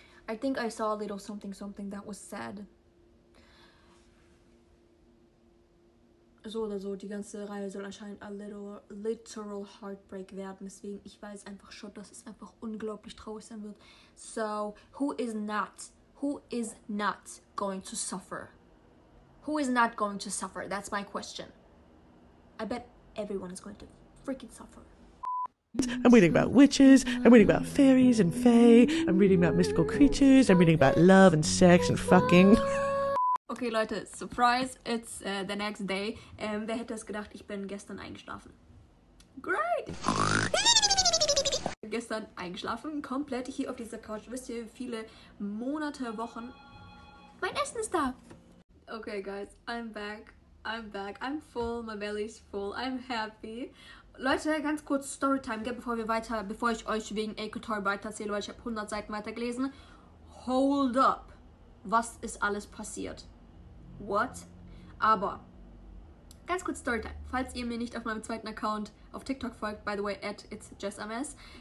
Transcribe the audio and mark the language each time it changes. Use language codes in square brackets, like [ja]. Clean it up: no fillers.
[en] I think I saw a little something something that was sad. [de] So oder so, die ganze Reihe soll anscheinend [en] a little literal heartbreak [de] werden. Deswegen, ich weiß einfach schon, dass es einfach unglaublich traurig sein wird. [en] So, who is not going to suffer? Who is not going to suffer? That's my question. I bet everyone is going to freaking suffer. I'm reading about witches, I'm reading about fairies and fae, I'm reading about mystical creatures, I'm reading about love and sex and fucking. Okay Leute, surprise, it's the next day. [de] Wer hätte es gedacht, ich bin gestern eingeschlafen. Great! Gestern eingeschlafen, komplett hier auf dieser Couch. Wisst ihr, viele Monate, Wochen. Mein Essen ist da! [en] Okay guys, I'm back, I'm full, my belly's full, I'm happy. [de] Leute, ganz kurz Storytime, gell, bevor ich euch wegen Akotar weiterzähle, weil ich habe 100 Seiten weitergelesen. [en] Hold up! [de] Was ist alles passiert? What? Aber, ganz kurz Storytime. Falls ihr mir nicht auf meinem zweiten Account auf TikTok folgt, [en] by the way, [de] @itsjessms.